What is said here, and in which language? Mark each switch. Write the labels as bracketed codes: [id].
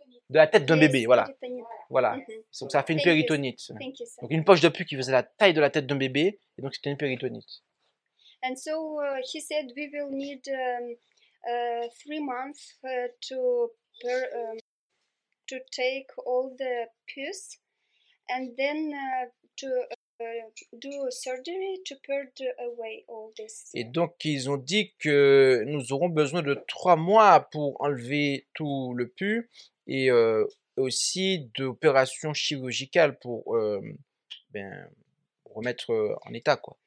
[fr] De la tête d'un bébé, voilà. Voilà. Donc ça a fait une péritonite. Donc une poche de pus qui faisait la taille de la tête d'un bébé, et donc c'était une péritonite. [en] And so he said we will need 3 months to take all the pus and then do surgery to purge away all this. [fr] Et donc, ils ont dit que nous aurons besoin de 3 mois pour enlever tout le pus et aussi d'opérations chirurgicales pour ben, remettre en état, quoi.